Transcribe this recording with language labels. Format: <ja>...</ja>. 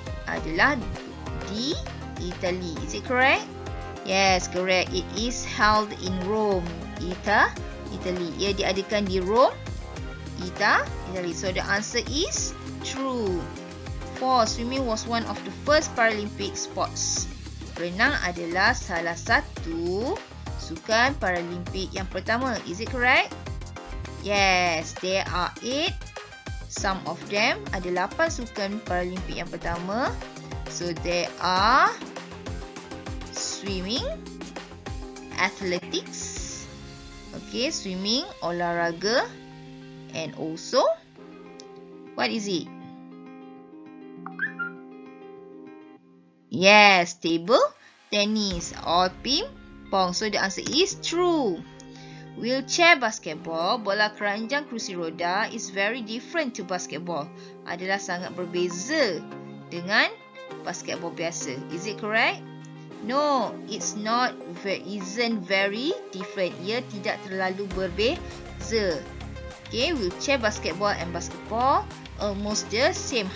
<ms>Adalah di Italy.</ms> <en>Is it correct? Yes, correct. It is held in Rome, Italy.</en> <ms>Ia diadakan di Rome, Italy.</ms> <en>So, the answer is true. 4. Swimming was one of the first Paralympic sports.</en> <ms>Renang adalah salah satu sukan Paralympic yang pertama.</ms> <en>Is it correct? Yes, there are 8. Some of them</en> <ms>ada 8 sukan Paralympic yang pertama.</ms> <en>So, there are swimming, athletics. Okay, swimming, olahraga. And also, what is it? Yes, table, tennis or ping pong. So, the answer is true. Wheelchair basketball,</en> <ms>bola keranjang kerusi roda</ms> <en>is very different to basketball.</en> <ms>Adalah sangat berbeza dengan basketball biasa.</ms> <en>Is it correct? No, it's not. Isn't very different.</en> <ms>Ia tidak terlalu berbeza.</ms> <en>Okay, wheelchair basketball and basketball almost the same.</en>